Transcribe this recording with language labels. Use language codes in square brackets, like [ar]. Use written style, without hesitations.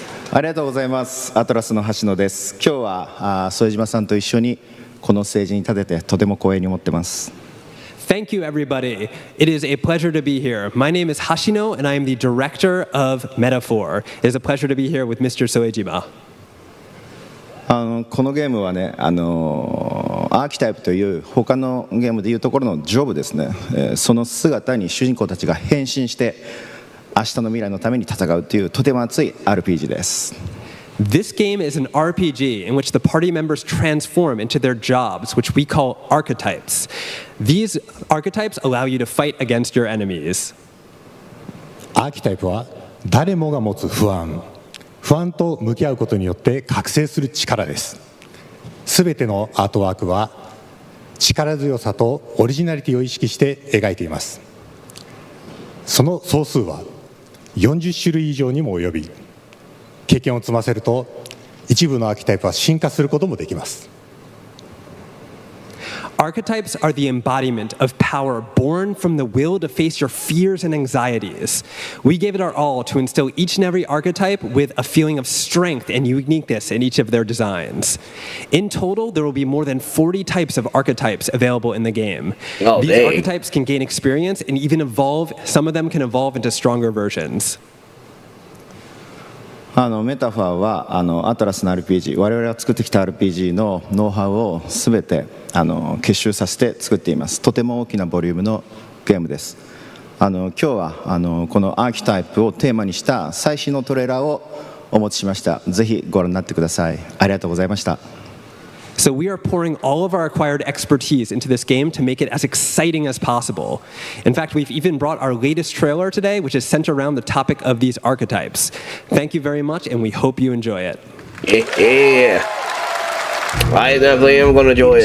[ja] ありがとうございます。アトラスの橋野です。今日は、副島さんと一緒にこのステージに立ててとても光栄に思ってます。 [en] Thank you, everybody. It is a pleasure to be here. My name is Hashino, and I am the director of Metaphor. It is a pleasure to be here with Mr. Soejima. [ja] このゲームはね、アーキタイプという他のゲームでいうところのジョブですね、その姿に主人公たちが変身して明日の未来のために戦うというとても熱い RPG です。 [en] This game is an RPG in which the party members transform into their jobs, which we call archetypes. These archetypes allow you to fight against your enemies. [ja] アーキタイプは誰もが持つ不安。不安と向き合うことによって覚醒する力です。すべてのアートワークは力強さとオリジナリティを意識して描いています。その総数は40種類以上にも及び、経験を積ませると一部のアーキタイプは進化することもできます。 [en] Archetypes are the embodiment of power born from the will to face your fears and anxieties. We gave it our all to instill each and every archetype with a feeling of strength and uniqueness in each of their designs. In total, there will be more than 40 types of archetypes available in the game. Oh, these dang. Archetypes can gain experience and even evolve. Some of them can evolve into stronger versions. Metaphor is Atlas RPG. We have created the RPG know-how all of them. [ja] 結集させて作っています。とても大きなボリュームのゲームです。今日はこのアーキタイプをテーマにした最新のトレーラーをお持ちしました。ぜひご覧になってください。ありがとうございました。 [en] So we are pouring all of our acquired expertise into this game to make it as exciting as possible. In fact, we've even brought our latest trailer today, which is centered around the topic of these archetypes. Thank you very much, and we hope you enjoy it. Yeah. I definitely am going to enjoy it.